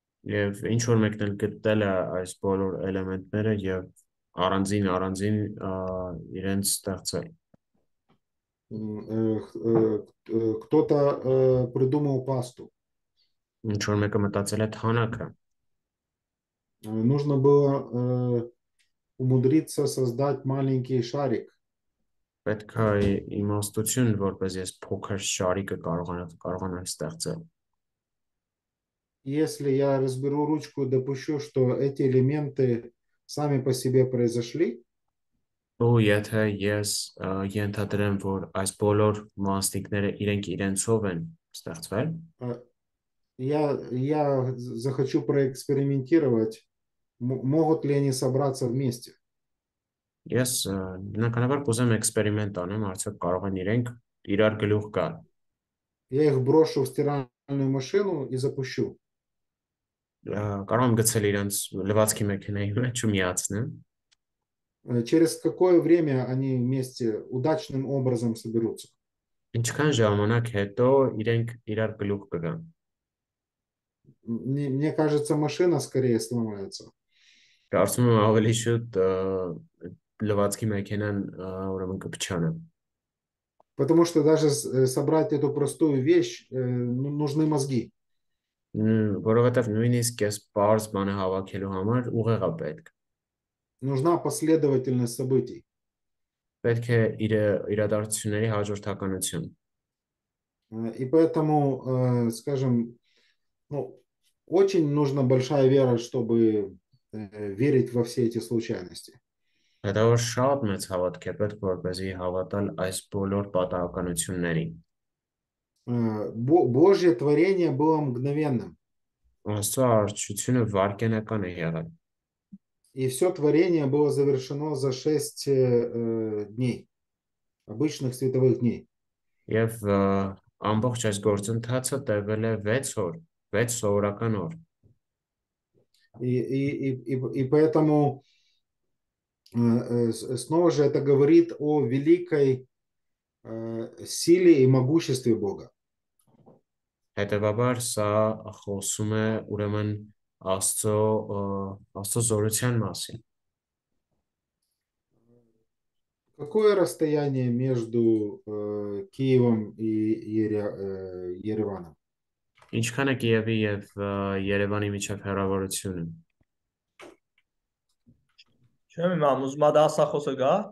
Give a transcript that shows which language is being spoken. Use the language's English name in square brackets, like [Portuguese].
[Armenian] Եվ ինչու՞ մեկն էլ գտել է այս բոլոր էլեմենտները եւ առանձին իրենց ստեղծել։ [Russian] Кто-то придумал пасту. [Armenian] Ինչու՞ մեկը մտածել է թանաքը։ [Russian] Нужно было умудриться создать маленький шарик. [Armenian] Պետք է իմաստություն, որպես ես փոքր շարիկը կարողանամ ստեղծել։ [Russian] Если я разберу ручку, допущу, что эти элементы сами по себе произошли, [Armenian] Ու եթե ես ենթադրեմ, որ այս բոլոր մասնիկները իրենք իրենցով են ստեղծվել, [Russian] я захочу проэкспериментировать, могут ли они собраться вместе. [Armenian] Ես նկարաբար կուզեմ էքսպերիմենտ անեմ, արդյոք կարող են իրենք իրար գլուխ գալ։ [Russian] Я их брошу в стиральную машину и запущу. [Armenian] Կարող եմ գցել իրենց լվացքի մեքենայի մեջ ու միացնեմ։ [Russian] Через какое время они вместе удачным образом соберутся? [Armenian] Ինչքան ժամանակ հետո իրենք իրար գլուխ կգան։ [Russian] Мне кажется, машина скорее сломается. [Armenian] Կարծում եմ ավելի շուտ լվացքի մեքենան ուրեմն կփչանա։ [Russian] Потому что даже собрать эту простую вещь, нужны мозги. [Armenian] Որովհետև նույնիսկ այս պարզ բանը հավաքելու համար ուղեղ է պետք։ [Russian] Нужна последовательность событий. [Armenian] Պետք է իրադարձությունների հաջորդականություն։ [Russian] И поэтому, скажем, ну, очень нужна большая вера, чтобы верить во все эти случайности. [Armenian] Հետո շատ մեծ հավատք է պետք, որպեսզի հավատալ այս բոլոր պատահականություններին։ [Russian] Божье творение было мгновенным. [Armenian] Աստծո արժույթը վայրկենական է եղել։ [Russian] И все творение было завершено за 6 дней, обычных световых дней. [Armenian] Եվ ամբողջ այս գործընթացը տևել է 6 օր, 6 սովորական օր։ [Russian] И поэтому снова же это говорит о великой силе и могуществе Бога. [Armenian] Հետևաբար սա խոսում է ուրեմն Աստծո զորության մասին։ [Russian] Какое расстояние между Киевом и Ереваном? [Armenian] Ինչքան է Կիևի եւ Երևանի միջև հեռավորությունը։ Չեմ իմանում, ուզում ա հասախոսը գա։